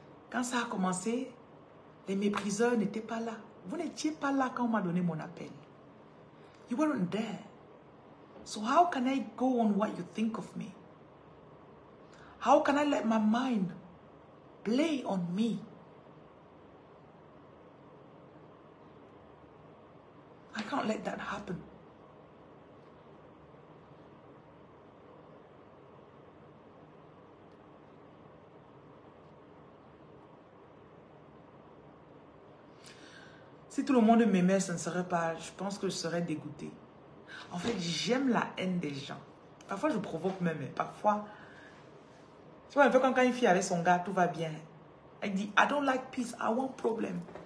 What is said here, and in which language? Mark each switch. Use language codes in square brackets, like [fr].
[fr] Quand ça a commencé, les mépriseurs n'étaient pas là. Vous n'étiez pas là quand on m'a donné mon appel. [en] You weren't there. So how can I go on what you think of me? How can I let my mind play on me? I can't let that happen. [fr] Si tout le monde m'aimait, ça ne serait pas... Je pense que je serais dégoûtée. En fait, j'aime la haine des gens. Parfois, je provoque même. Mais parfois, tu vois, un peu comme quand une fille avec son gars, tout va bien. Elle dit, [en] I don't like peace, I want problem.